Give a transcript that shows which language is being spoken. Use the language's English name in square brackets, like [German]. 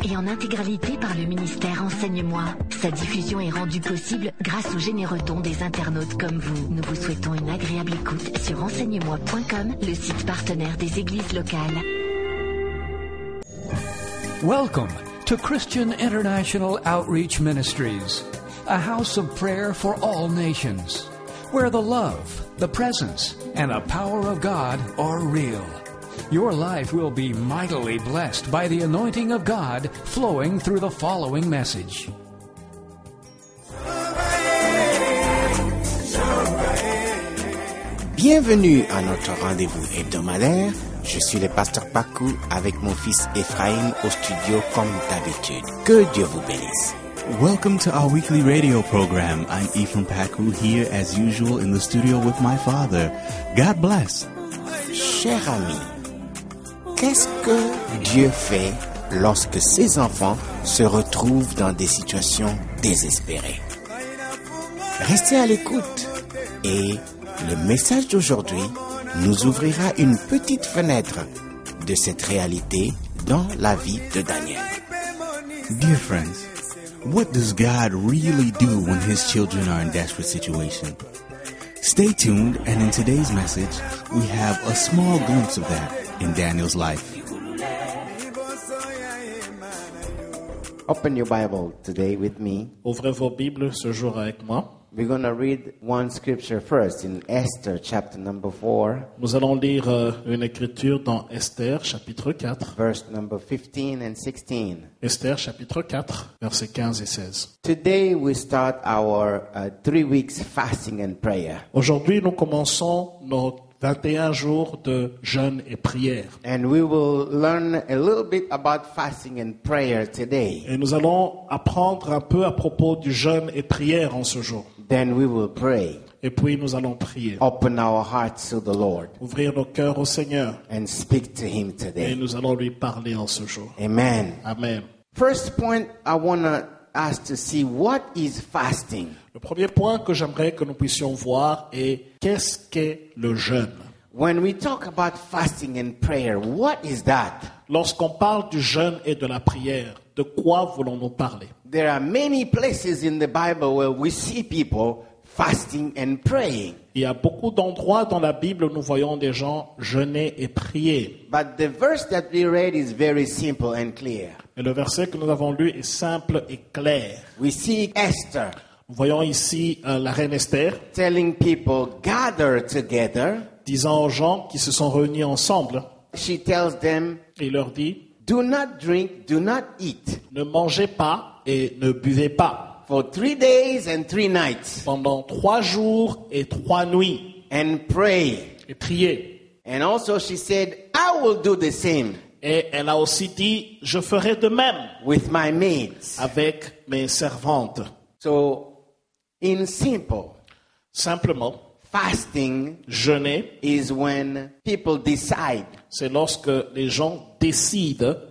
[French] Et en intégralité par le ministère Enseigne-moi. Sa diffusion est rendue possible grâce aux généreux dons des internautes comme vous. Nous vous souhaitons une agréable écoute sur enseignemoi.com, le site partenaire des églises locales. [English] Welcome to Christian International Outreach Ministries, a house of prayer for all nations, where the love, the presence, and the power of God are real. Your life will be mightily blessed by the anointing of God flowing through the following message. [French] Bienvenue à notre rendez-vous hebdomadaire. Je suis le pasteur Pakou avec mon fils Ephraim au studio comme d'habitude. Que Dieu vous bénisse. [English] Welcome to our weekly radio program. I'm Ephraim Pakou here as usual in the studio with my father. God bless. [French] Cher ami, qu'est-ce que Dieu fait lorsque ses enfants se retrouvent dans des situations désespérées? Restez à l'écoute et le message d'aujourd'hui nous ouvrira une petite fenêtre de cette réalité dans la vie de Daniel. [English] Dear friends, what does God really do when his children are in desperate situations? Stay tuned, and in today's message, we have a small glimpse of that in Daniel's life. Open your Bible today with me. [French] Ouvrez vos Bibles ce jour avec moi. [English] We're going to read one scripture first in Esther chapter number 4. [French] Nous allons lire une écriture dans Esther chapitre 4. [English] Verse number 15 and 16. [French] Esther chapitre 4, versets 15 et 16. [English] Today we start our 3 weeks fasting and prayer. [French] Aujourd'hui nous commençons nos 21 jours de jeûne et prière. [English] And we will learn a little bit about fasting and prayer today. [French] Et nous allons apprendre un peu à propos du jeûne et prière en ce jour. [English] Then we will pray. [French] Et puis nous allons prier. [English] Open our hearts to the Lord. [French] Ouvrir nos cœurs au Seigneur. [English] And speak to him today. [French] Et nous allons lui parler en ce jour. [English] Amen. [French] Amen. [English] First point I want to ask to see, what is fasting? [French] Le premier point que j'aimerais que nous puissions voir est: qu'est-ce qu'est le jeûne? [English] When we talk about fasting and prayer, what is that? [French] Lorsqu'on parle du jeûne et de la prière, de quoi voulons-nous parler? [English] There are many places in the Bible where we see people fasting and praying. [French] Il y a beaucoup d'endroits dans la Bible où nous voyons des gens jeûner et prier. [English] But the verse that we read is very simple and clear. [French] Et le verset que nous avons lu est simple et clair. [English] We see Esther. [French] Voyons ici la reine Esther [English] telling people, gather together, [French] disant aux gens qui se sont réunis ensemble. [English] She tells them, [French] et leur dit, [English] do not drink, do not eat, [French] ne mangez pas et ne buvez pas, [English] for 3 days and 3 nights, [French] pendant 3 jours et 3 nuits, [English] and pray, [French] et priez. [English] And also she said, I will do the same, [French] et elle a aussi dit, je ferai de même, [English] with my maids, [French] avec mes servantes. [English] So, in simple, [French] simplement, [English] fasting, [French] jeûner, [English] is when people decide. [French] C'est lorsque les gens décident